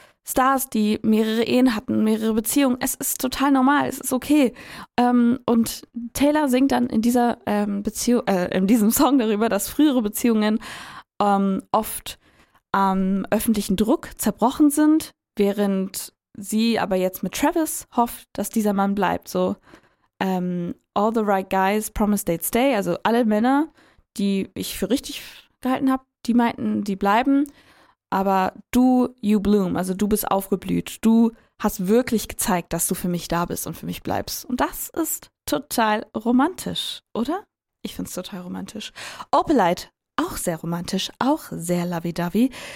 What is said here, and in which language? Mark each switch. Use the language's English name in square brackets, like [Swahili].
[German] Stars, die mehrere Ehen hatten, mehrere Beziehungen. Es ist total normal, es ist okay. Und Taylor singt dann in dieser Beziehung, in diesem Song darüber, dass frühere Beziehungen oft am öffentlichen Druck zerbrochen sind, während sie aber jetzt mit Travis hofft, dass dieser Mann bleibt. [English] So, all the right guys promised they'd stay. [German] Also alle Männer, die ich für richtig gehalten habe, die meinten, die bleiben. Aber du, [English] you bloom, [German] also du bist aufgeblüht. Du hast wirklich gezeigt, dass du für mich da bist und für mich bleibst. Und das ist total romantisch, oder? Ich find's total romantisch. Opelite, auch sehr romantisch, auch sehr lovey-dovey.